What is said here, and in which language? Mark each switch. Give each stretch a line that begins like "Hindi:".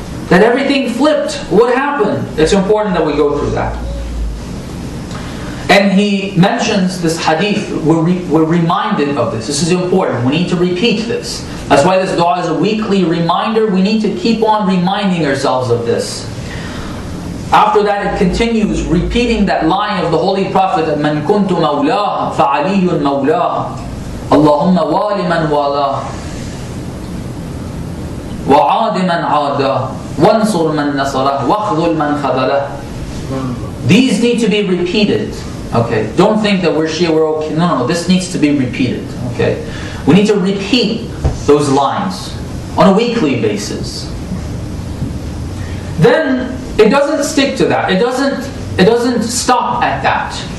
English: That everything flipped. What happened? It's important that we go through that. And he mentions this hadith, we're reminded of this. This is important. We need to repeat this. That's why this dua is a weekly reminder. We need to keep on reminding ourselves of this. After that, it continues repeating that line of the Holy Prophet,
Arabic: مَنْ كُنْتُ مَوْلَاهَ فَعَلِيُّ الْمَوْلَاهَ اللَّهُمَّ وَالِمَنْ وَالَاهَ وَعَادِمَنْ عَادَهَ وَانْصُرْ مَنْ نَصَرَهَ وَخْذُلْ مَنْ خَذَلَهَ.
English: These need to be repeated. Okay, don't think that we're Shia, we're okay. No, this needs to be repeated. Okay, we need to repeat those lines on a weekly basis. Then it doesn't stick to that. It doesn't stop at that.